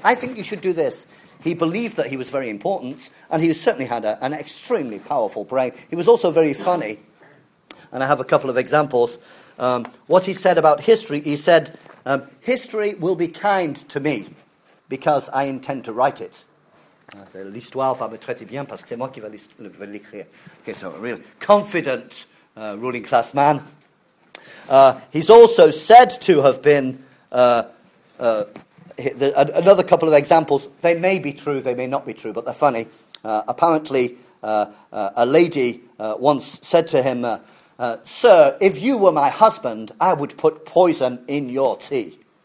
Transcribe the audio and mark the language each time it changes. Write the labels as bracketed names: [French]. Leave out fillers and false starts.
[English] I think you should do this. He believed that he was very important, and he certainly had an extremely powerful brain. He was also very funny, and I have a couple of examples. What he said about history, he said, history will be kind to me because I intend to write it. [French] L'histoire va me traiter bien parce que c'est moi qui vais l'écrire. [English] Okay, so a real confident ruling class man. He's also said to have been, another couple of examples, they may be true, they may not be true, but they're funny. Apparently, a lady once said to him, sir, if you were my husband, I would put poison in your tea.